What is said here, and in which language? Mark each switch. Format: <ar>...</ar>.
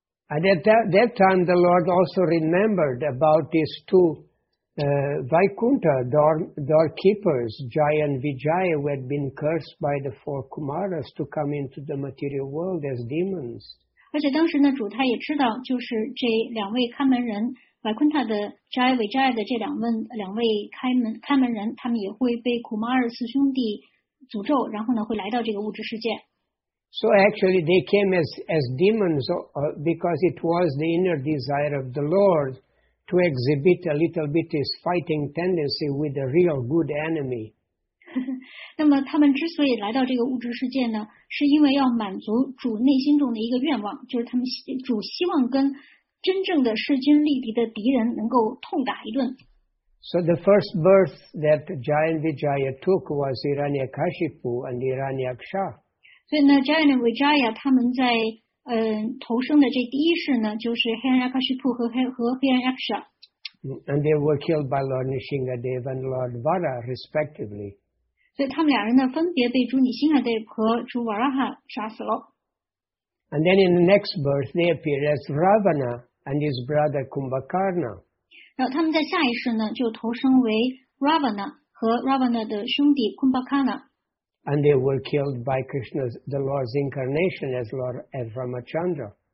<en>And at that time, the Lord also remembered about these two Vaikuntha doorkeepers, Jaya and Vijaya, who had been cursed by the four Kumaras to come into the material world as demons.</en> <zh>而且当时呢，主他也知道，就是这两位看门人。 Vaikuntha 的 Jaya Vijaya 的这两位开门人，他们也会被 Kumara 四兄弟诅咒，然后呢会来到这个物质世界。</zh> <en>So actually they came as demons because it was the inner desire of the Lord to exhibit a little bit his fighting tendency with a real good enemy.</en> <zh>那么他们之所以来到这个物质世界呢，是因为要满足主内心中的一个愿望，就是他们主希望跟真正的势均力敌的敌人能够痛打一顿。</zh> <en>So the first birth that Jaya and Vijaya took was Hiranyakashipu and Hiranyaksha.</en> <zh>所以呢 ，Jaya and Vijaya 他们在投生的这第一世呢，就是 Hiranyakashipu 和 Hiranyaksha。</zh> <en>And they were killed by Lord Nrisimhadeva and Lord Vara respectively.</en> <zh>所以他们两人呢，分别被主女星啊对和主瓦拉哈杀死了。</zh> <en>And then in the next birth, they appear as Ravana and his brother Kumbhakarna.</en> <zh>然后他们在下一世呢，就投生为 Ravana 和 Ravana 的兄弟 Kumbhakarna.</zh> <en>And they were killed by Krishna's the Lord's incarnation as Lord as Ramachandra.</en>